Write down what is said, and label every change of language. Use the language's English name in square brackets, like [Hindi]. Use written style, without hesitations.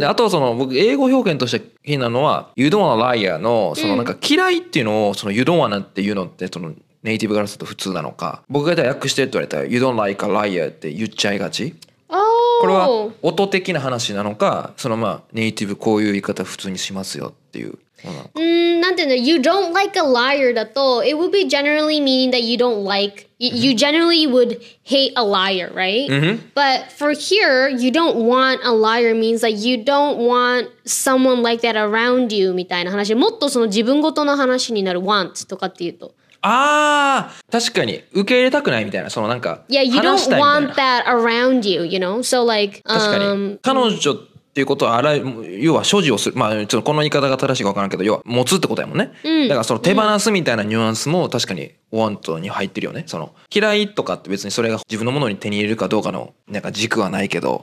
[Japanese] であとはその僕英語表現として気になるのは [English] You don't want a liar [Japanese] のそのなんか嫌いっていうのをその You don't wanna っていうのってそのネイティブからすると普通なのか僕がじゃあ訳してって言われたら [English] You don't like a liar [Japanese] って言っちゃいがち、 [English] oh. [Japanese] これは音的な話なのかそのまあネイティブこういう言い方普通にしますよっていうんなんていうんだ [English] You don't like a liar [Japanese] だと [English] It would be generally meaning that you don't like You generally would hate a liar, right? Mm-hmm. But for here, you don't want a liar means that you don't want someone like that around you [Japanese] みたいな話もっとその自分ごとの話になる [English] Want [Japanese] とかっていうとああ確かに受け入れたくないみたいなそのなんか [English] Yeah, you don't want that around you, you know? So like [Japanese] 確かに彼女っていうことは、要は所持をする。まあ、ちょっとこの言い方が正しいか分からんけど、要は持つってことやもんね。うん、だからその手放すみたいなニュアンスも確かに want に入ってるよね。その嫌いとかって別にそれが自分のものに手に入れるかどうかのなんか軸はないけど。